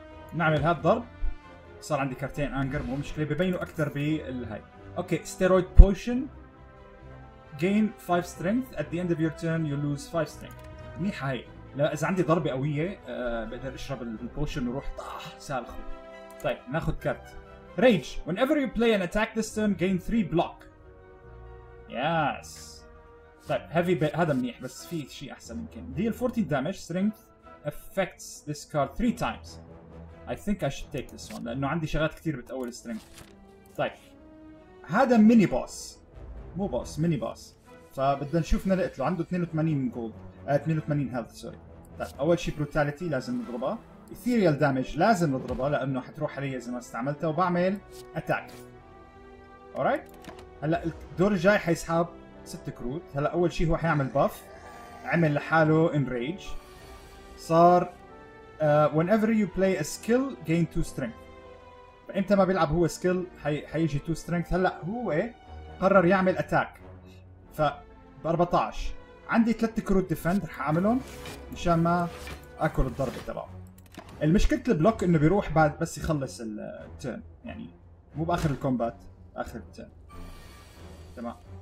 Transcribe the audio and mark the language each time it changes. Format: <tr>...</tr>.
<ar>طيب نعمل هذا الضرب، صار عندي كارتين انجر، مو مشكله، ببينوا اكثر بالهاي.</ar> <en>okay steroid potion gain 5 strength at the end of your turn you lose 5 strength,</en> <ar>منيحه هي. اذا عندي ضربه قويه بقدر اشرب البوشن وروح طاح سالخه. طيب ناخذ كارت Rage.</ar> <en>Whenever you play an attack this turn, gain 3 block. Yes. طيب heavy bit.</en> <ar>هذا منيح بس في شيء أحسن ممكن.</ar> <en>Deal 14 damage. Strength affects this card 3 times. I think I should take this one.</en> <ar>لأنه عندي شغلات كتير بتأول strength. طيب هذا mini boss.</ar> <en>مو boss. Mini boss.</en> <ar>فبدنا نشوف نلقتله. عنده</ar> <en>82 gold. 82 health. Sorry.</en> <ar>طيب أول شيء brutality لازم نضربه. Ethereal damage لازم نضربها لأنه حتروح علي إذا ما استعملتها، وبعمل attack.</ar> <en>Alright.</en> <ar>هلا الدور الجاي حيسحب 6 كروت. هلا أول شيء هو حيعمل buff، عمل لحاله enrage، صار</ar> <en>whenever you play a skill gain 2 strength.</en> <ar>فإمتى ما بيلعب هو skill حيجي 2 strength. هلا هو قرر يعمل attack ف 14. عندي 3 كروت defend رح أعملهم مشان ما آكل الضربة تبعه. المشكلة البلوك انه بيروح بعد بس يخلص التيرن، يعني مو باخر الكومبات، اخر التيرن. تمام.</ar>